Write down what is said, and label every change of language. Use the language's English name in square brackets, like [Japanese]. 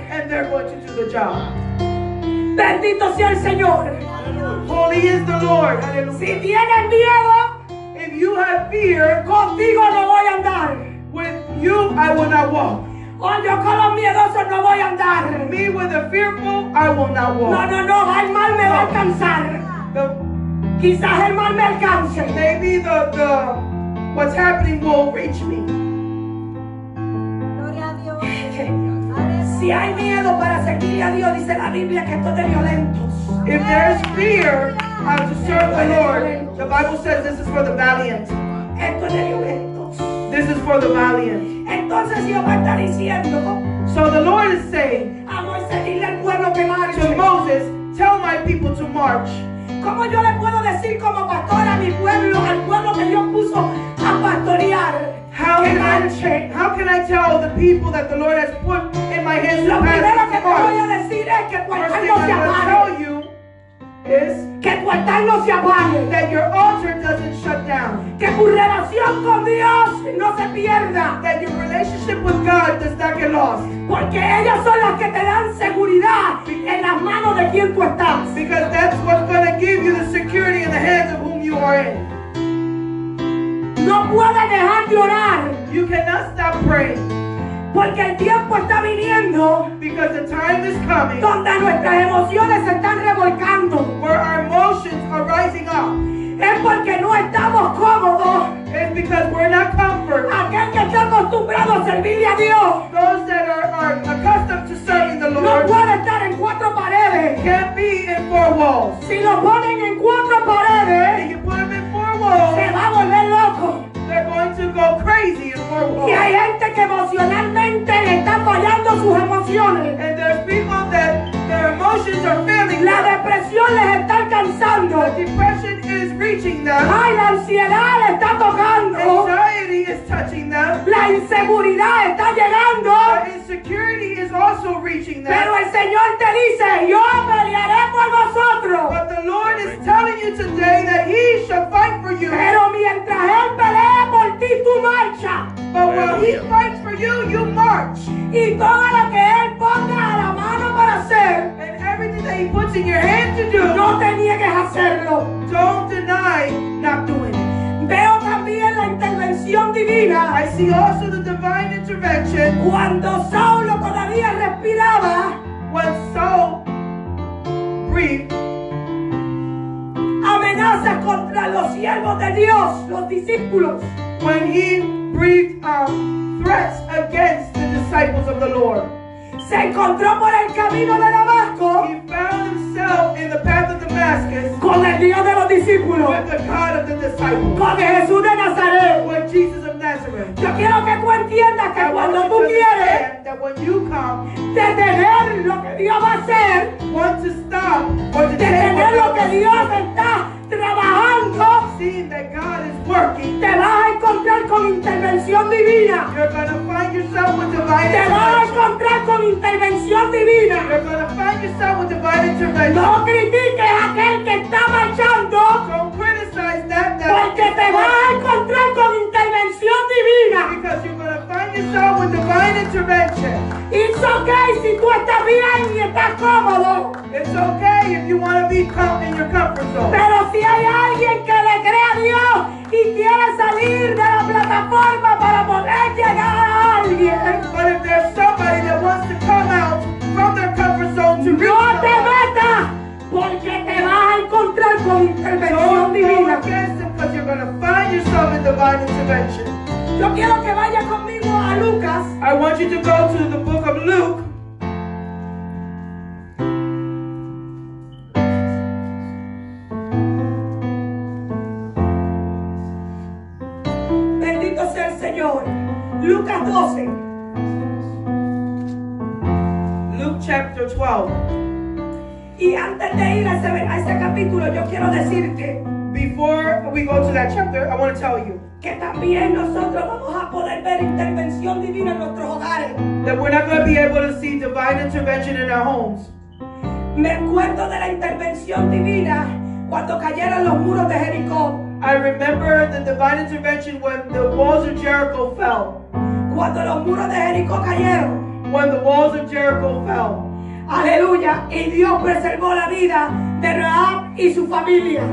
[English] And they're going to do the job. [Spanish] Bendito sea el Señor. [English] Holy is the Lord. Hallelujah. [Spanish] Si tienes miedo, [English] if you have fear, [Spanish] contigo no voy a andar. [English] With you, I will not walk. [Spanish] Con yo con los miedosos no voy a andar. [English] Me with the fearful, I will not walk. [Spanish] No, no, no, el mal me va a alcanzar. Quizás el mal me alcance. [English] Maybe the what's happening will reach me. [Spanish] Gloria a Dios. Si hay miedo para servir a Dios, dice la Biblia que esto es de violentos. [English] If there is fear how to serve the Lord, the Bible says this is for the valiant. [Spanish] Esto es de violentos. [English] This is for the valiant. [Spanish] Entonces Dios va a estar diciendo, [English] so the Lord is saying, [Spanish] a Moisés, dile al pueblo que marche. [English] To Moses, tell my people to march. [Spanish] ¿Cómo yo le puedo decir como pastor a mi pueblo, al pueblo que Dios puso a pastorear? [English] How can I tell the people that the Lord has put in my hands to pass? [Spanish] Lo primero que te voy a decir es que tu altar no se apague. [English] That your altar doesn't shut down. [Spanish] Que tu relación con Dios no se pierda. [English] That your relationship with God does not get lost. [Spanish] Porque ellas son las que te dan seguridad en las manos de quien tú estás. [English] Because that's what's going to give you the security in the hands of whom you are in. [Spanish] No puede dejar de orar. [English] You cannot stop praying. [Spanish] Porque el tiempo está viniendo. [English] Because the time is coming. [Spanish] Donde nuestras emociones se están revolcando. [English] Where our emotions are rising up. [Spanish] es porque no estamos cómodos. [English] It's because we're not comfortable. [Spanish] Aquel que está acostumbrado a servirle a Dios. [English] Those that are accustomed to serving the Lord. [Spanish] No puede estar en cuatro paredes. [English] Can't be in four walls. [Spanish] Si lo ponen en cuatro paredes. [English] If you put them in four walls. [Spanish] Se va a volver loco. [English] They're going to go crazy in four walls. [Spanish] Y hay gente que emocionalmente le está fallando sus emociones. [English] And there's people that their emotions are failing. [Spanish] La depresión les está alcanzando. [English] The depression is reaching them. [Spanish] Ay, la ansiedad está tocando. [English] Anxiety is touching them. [Spanish] La inseguridad está llegando. [English] The insecurity is also reaching them. [Spanish] Pero el Señor te dice, yo pelearé por vosotros. [English] But the Lord is telling you today that He shall fight for you. [Spanish] Pero mientras Él pelee por ti, tú marcha. [English] But while He fights for you, you march. [Spanish] Y todo lo que Él ponga a la mano para hacer. [English] And everything that He puts in your hand to do. [Spanish] No te niegues a hacerlo. [English] Don't deny not doing it. [Spanish] Veo también la intervención divina. [English] I see also the divine intervention. [Spanish] Cuando Saulo todavía respiraba. [English] When Saul breathed. [Spanish] Amenazas contra los siervos de Dios, los discípulos. [English] When he breathed out threats against the disciples of the Lord. [Spanish] Se encontró por el camino de Damasco. [English] He found himself in the path of Damascus. [Spanish] Con el Dios de los discípulos. [English] With the God of the disciples. [Spanish] Con Jesús de Nazaret. [English] With Jesus of Nazareth. [Spanish] Yo quiero que tú entiendas que [English] I [Spanish] cuando tú quieres. [English] That when you come. [Spanish] Detener lo que Dios va a hacer. [English] Want to stop. Or to [Spanish] detener lo que Dios está trabajando. [English] Seeing that God is working. [Spanish] Te vas a encontrar con intervención divina. [English] You're going to find yourself with divine intervention. [Spanish] Te vas a encontrar con intervención divina. [English] You're going to find yourself with divine intervention. [Spanish] No critiques a aquel que está marchando. [English] Don't criticize that. [Spanish] Porque te vas a encontrar con intervención divina. [English] Because you're going to find yourself with divine intervention. It's okay [Spanish] si tú estás bien y estás cómodo. [English] It's okay if you want to be calm in your comfort zone. [Spanish] Pero si hay alguien que le cree a Dios y quiere salir de la plataforma para poder llegar a alguien. [English] But if there's somebody that wants to come out from their comfort zone to reach them. [Spanish] No te metas porque te vas a encontrar con intervención [English] don't [Spanish] divina. [English] Don't go against them because you're going to find yourself in divine intervention. [Spanish] Yo quiero que vayas conmigo a Lucas. [English] I want you to go to the book of Luke. [Spanish] Bendito sea el Señor. Lucas 12. [English] Luke chapter 12. [Spanish] Y antes de ir a ese capítulo, yo quiero decirte. [English] Before we go to that chapter, I want to tell you. [Spanish] Que también nosotros vamos a poder ver intervención divina en nuestros hogares. [English] That we're not going to be able to see divine intervention in our homes. [Spanish] Me acuerdo de la intervención divina cuando cayeron los muros de Jericó. [English] I remember the divine intervention when the walls of Jericho fell. [Spanish] Cuando los muros de Jericó cayeron. [English] When the walls of Jericho fell. [Spanish] Aleluya. Y Dios preservó la vida de Rahab y su familia.